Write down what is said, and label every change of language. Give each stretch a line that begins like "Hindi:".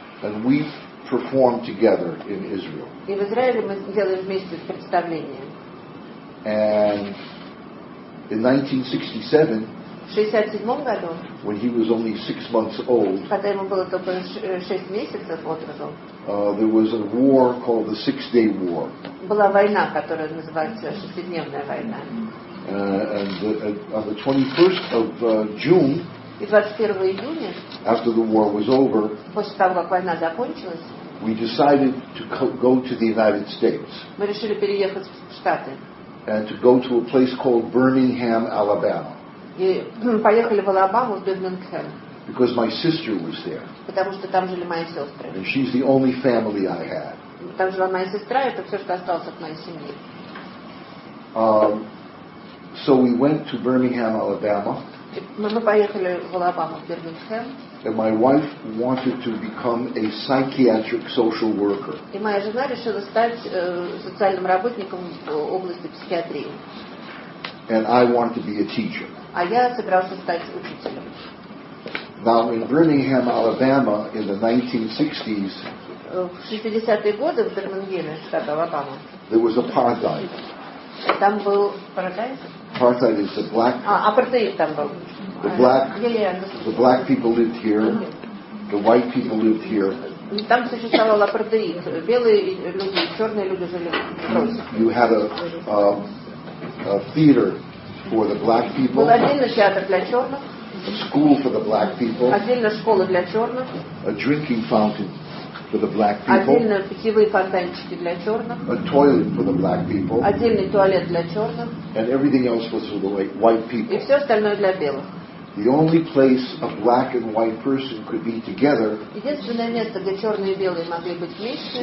English: And we perform together in Israel.
Russian: И в Израиле мы делаем вместе представления.
English: And in 1967.
Russian: В 67 году,
English: when he was only 6 months old,
Russian: когда ему было только 6 месяцев от роду,
English: there was a war called the Six-Day War.
Russian: Была война, которая называется Шестидневная война.
English: On the 21st of June,
Russian: и 21 июня,
English: after the war was over,
Russian: после того, как война закончилась,
English: we decided to go to the United States.
Russian: Мы решили переехать в Штаты.
English: And to go to a place called Birmingham, Alabama.
Russian: И поехали в Алабаму, в Бирмингхэм.
English: Because my sister was there.
Russian: Потому что там жили мои сестры.
English: And she's the only family I had.
Russian: Там жила моя сестра, это все, что осталось от моей семьи.
English: So we went to Birmingham, Alabama.
Russian: Мы поехали в Алабаму, в Бирмингхэм.
English: And my wife wanted to become a psychiatric social worker.
Russian: И моя жена решила стать социальным работником в области психиатрии.
English: And I wanted to be a teacher.
Russian: А я собирался стать учителем.
English: Now in Birmingham, Alabama, in the 1960s.
Russian: В 60-е годы в Бирмингеме, штат Алабама.
English: There was apartheid.
Russian: Там был
English: apartheid. Apartheid is the black.
Russian: Апартеид там был.
English: The black. The black people lived here. The white people lived here.
Russian: Там существовал апартеид. Белые люди, черные люди жили.
English: You had a theater for the black people.
Russian: Был отдельный театр для черных.
English: A school for the black people.
Russian: Отдельная школа для черных.
English: A drinking fountain for the black people.
Russian: Отдельные питьевые фонтанчики для черных.
English: A toilet for the black people.
Russian: Отдельный туалет для черных.
English: And everything else was for the white people.
Russian: И все остальное для белых.
English: The only place a black and white person could be together.
Russian: Единственное место, где черные и белые могли быть вместе.